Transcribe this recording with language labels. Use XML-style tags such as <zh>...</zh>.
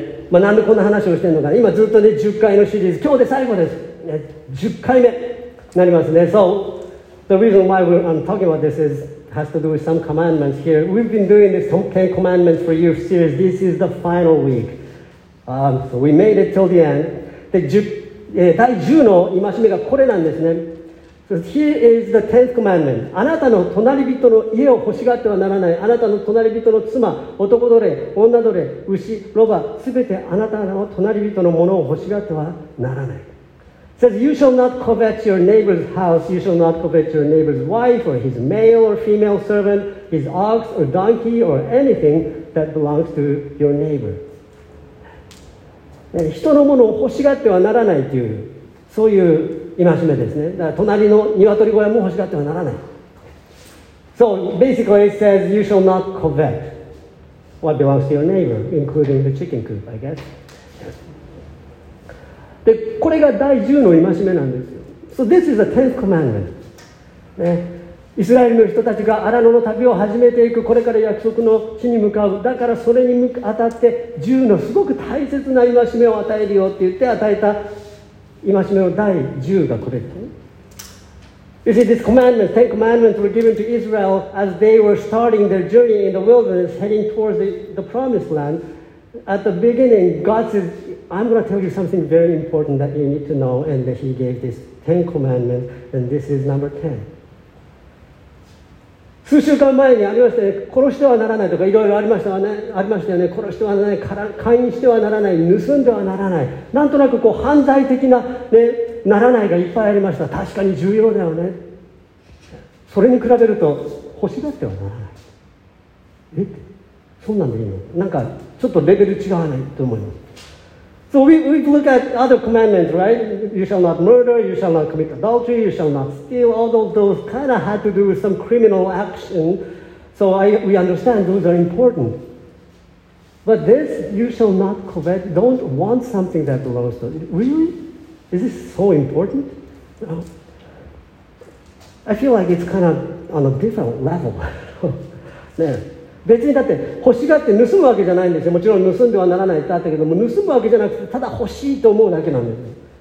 <ja>まあ、なんでこんな話をしてるのか。今ずっとね、10回のシリーズ。今日で最後です。ね、10回目。なりますね。</ja> <en>So the reason why we're talking about this is has to do with some commandments here. We've been doing this 10 commandments for years series. This is the final week. So we made it till the end.</en> <ja>で第10の戒めがこれなんですね。</ja> <en>So here is the 10th commandment.</en> <ja>あなたの隣人の家を欲しがってはならない。あなたの隣人の妻、男奴隷、女奴隷、牛、ロバ、すべてあなたの隣人のものを欲しがってはならない。</ja> <en>It says, you shall not covet your neighbor's house, you shall not covet your neighbor's wife, or his male or female servant, his ox or donkey, or anything that belongs to your neighbor.</en> <ja>人のものを欲しがってはならないという、そういう戒めですね。だから隣の鶏小屋も欲しがってはならない。</ja> <en>So basically it says, you shall not covet what belongs to your neighbor, including the chicken coop, I guess.</en> <ja>でこれが第10の戒めなんですよ。</ja> <en>So this is the 10th commandment.、</en> <ja>ね、イスラエルの人たちがアラノの旅を始めていく、これから約束の地に向かう。だからそれに当たって10のすごく大切な戒めを与えるよって言って与えた戒めの第10がこれです。</ja> <en>You see, this commandment, 10 commandments were given to Israel as they were starting their journey in the wilderness, heading towards the promised land. At the beginning, God saysI'm going to tell you something very important that you need to know, and that he gave this 10 commandments, and this is number 10.</en> <ja>数週間前にありましたね、殺してはならないとかいろいろありましたよね、ありましたよね、殺してはならない、勧誘してはならない、盗んではならない、なんとなくこう犯罪的な、ね、ならないがいっぱいありました。確かに重要だよね。それに比べると欲しがってはならない。え、そんなんでいいの？なんかちょっとレベル違わないと思います。</ja> <en>So we look at other commandments, right? You shall not murder, you shall not commit adultery, you shall not steal. All of those kind of had to do with some criminal action. So we understand those are important. But this you shall not covet. Don't want something that belongs to. Really? Is this so important? No. I feel like it's kind of on a different level.</en> <ja>ね。別にだって欲しがって盗むわけじゃないんですよ。もちろん盗んではならないってあったけども、盗むわけじゃなくて、ただ欲しいと思うだけなんです。</ja>